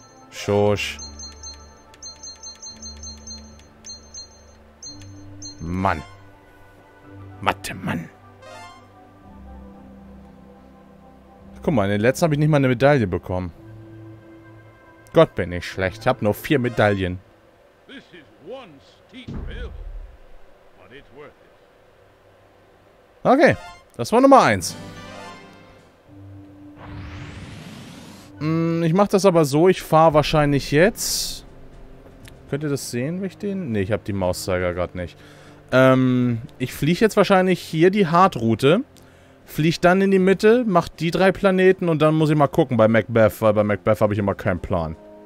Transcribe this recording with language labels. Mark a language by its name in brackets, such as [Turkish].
[German] Schorsch. Mann. Mathe-Mann. Guck mal, in den letzten habe ich nicht mal eine Medaille bekommen. Gott, bin ich schlecht. Ich habe nur 4 Medaillen. [English] This is one steep hill, but it's worth it. [German] Okay, das war Nummer 1. Ich mache das aber so, ich fahre wahrscheinlich jetzt. Könnt ihr das sehen, wenn ich den... Ne, ich habe die Mauszeiger gerade nicht. Ich fliege jetzt wahrscheinlich hier die Hardroute. Fliege dann in die Mitte, mach die 3 Planeten und dann muss ich mal gucken bei Macbeth, weil bei Macbeth habe ich immer keinen Plan.